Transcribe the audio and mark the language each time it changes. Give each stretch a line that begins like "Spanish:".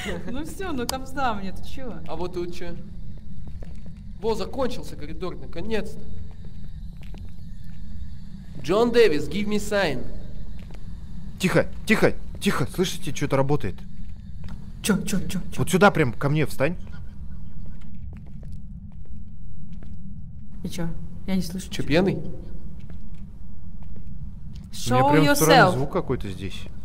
Russian: Ну все, ну камзда мне, ты чего? А вот тут что? Во, закончился коридор, наконец-то.
English: Джон Дэвис, give me sign.
Russian: Тихо, тихо, тихо, слышите, что-то работает. Чё? Вот сюда прям ко мне встань. И чё? Я не слышу. Че, пьяный?
English: Show yourself.
Russian: У меня прям странный звук какой-то здесь.